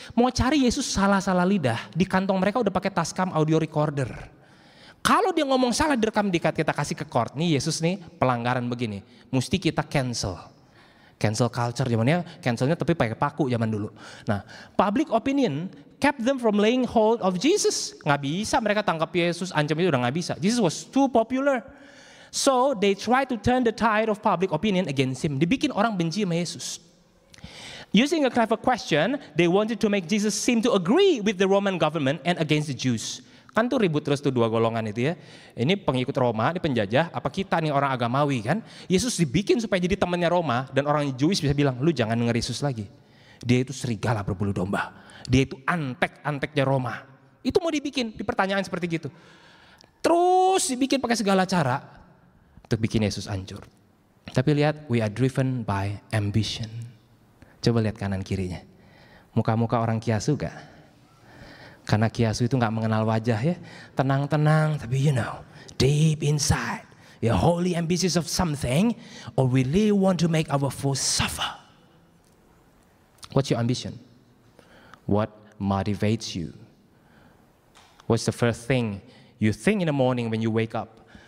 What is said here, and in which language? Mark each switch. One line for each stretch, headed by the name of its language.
Indonesian: Mau cari Yesus salah-salah lidah. Di kantong mereka udah pakai Tascam audio recorder. Kalau dia ngomong salah direkam dikat, kita kasih ke court. Nih Yesus nih pelanggaran begini. Mesti kita cancel. Cancel culture zamannya, cancelnya tapi pakai paku zaman dulu.
English: Nah, public opinion kept them from laying hold of Jesus.
Indonesian: Gak bisa mereka tangkap Yesus, ancam itu udah gak bisa.
English: Jesus was too popular. So, they tried to turn the tide of public opinion against him.
Indonesian: Dibikin orang benci sama Yesus.
English: Using a clever question, they wanted to make Jesus seem to agree with the Roman government and against the Jews.
Indonesian: Kan tuh ribut terus tuh dua golongan itu ya. Ini pengikut Roma, ini penjajah, apa kita nih orang agamawi kan. Yesus dibikin supaya jadi temannya Roma, dan orang Jewish bisa bilang, lu jangan denger Yesus lagi. Dia itu serigala berbulu domba. Dia itu antek-anteknya Roma. Itu mau dibikin, di pertanyaan seperti gitu. Terus dibikin pakai segala cara, untuk bikin Yesus hancur. Tapi lihat,
English: we are driven by ambition.
Indonesian: Coba lihat kanan kirinya. Muka-muka orang kiasu gak? Karena kiasu itu gak mengenal wajah ya. Tenang-tenang, tapi
English: you know, deep inside, you're wholly ambitious of something, or really want to make our foes suffer. What's your ambition? What motivates you? What's the first thing you think in the morning when you wake up?